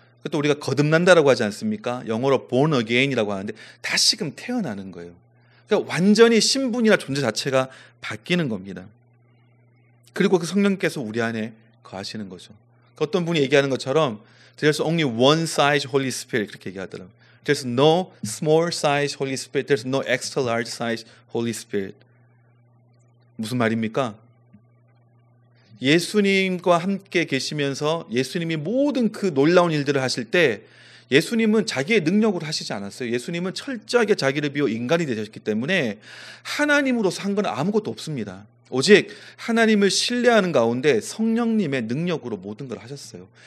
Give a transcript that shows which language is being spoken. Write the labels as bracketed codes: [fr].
[ko] 또 우리가 거듭난다라고 하지 않습니까? 영어로 born again이라고 하는데 다시금 태어나는 거예요. 그러니까 완전히 신분이나 존재 자체가 바뀌는 겁니다. 그리고 그 성령께서 우리 안에 거하시는 거죠. 어떤 분이 얘기하는 것처럼 [en] There's only one size Holy Spirit [ko] 그렇게 얘기하더라고요. [en] There's no small size Holy Spirit. There's no extra large size Holy Spirit. [ko] 무슨 말입니까? 예수님과 함께 계시면서 예수님이 모든 그 놀라운 일들을 하실 때 예수님은 자기의 능력으로 하시지 않았어요. 예수님은 철저하게 자기를 비워 인간이 되셨기 때문에 하나님으로서 한 건 아무것도 없습니다. 오직 하나님을 신뢰하는 가운데 성령님의 능력으로 모든 걸 하셨어요.